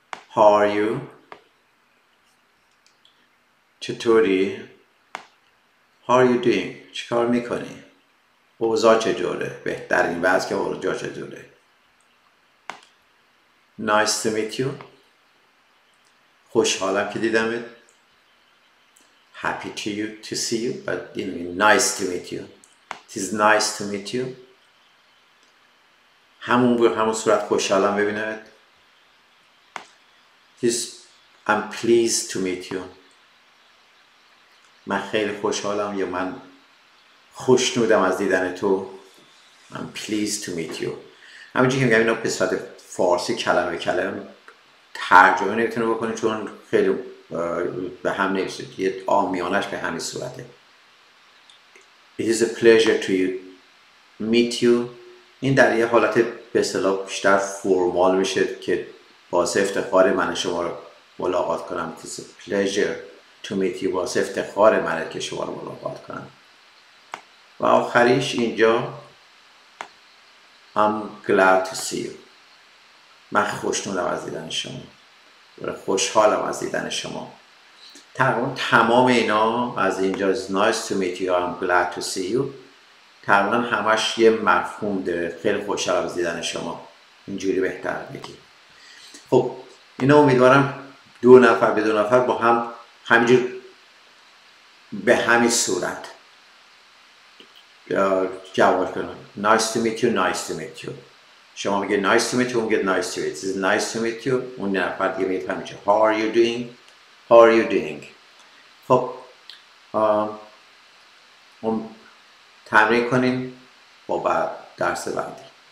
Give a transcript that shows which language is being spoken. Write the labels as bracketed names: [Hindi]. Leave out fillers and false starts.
[English] How are you? [Persian] چطوری؟ [English] How are you doing? [Persian] چیکار میکنی؟ اوضاع چجوره؟ بهترین وضع که اوضاع چجوره؟ [English] Nice to meet you? [Persian] خوشحالم که دیدمت. [English] Happy to you to see you, but you know, nice to meet you. It is nice to meet you. [Persian] همون به همون صورت خوشحالم ببینمت. [English] I'm pleased to meet you. [Persian] من خیلی خوشحالم یا من خوشنودم از دیدن تو. [English] I'm pleased to meet you. [Persian] همینجور که میگم اینا به صورت فارسی کلمه کلمه ترجمه نمیتونه بکنه چون خیلی به هم نیست. یه آمیانش به همین صورته. [English] It is a pleasure to meet you. [Persian] این در یه حالت به اصطلاح بیشتر فرمال میشه که باعث افتخار من شما رو ملاقات کنم. [English] It is a pleasure to meet you. [Persian] باعث افتخار من که شما رو ملاقات کنم. و آخریش اینجا [English] I'm glad to see you. [Persian] من خوشنودم از دیدن شما. خوشحالم از دیدن شما. تقریبا تمام اینا از اینجا [English] is nice to meet you, I'm glad to see you [Persian] تقریبا همش یه مفهوم داره. خیلی خوشحالم از دیدن شما. اینجوری بهتر بگی. خب اینا امیدوارم دو نفر به دو نفر با هم همینجور به همین صورت جواب کنن. [English] Nice to meet you, nice to meet you. [Persian] شما میگه [English] nice to meet you، [Persian] اون میگه [English] nice to meet you. It's nice to meet you. [Persian] اون نه فقط یه میگه همیشه [English] how are you doing؟ [Persian] How are you doing؟ خب اون تمرین کنیم با بعد درس بعدی.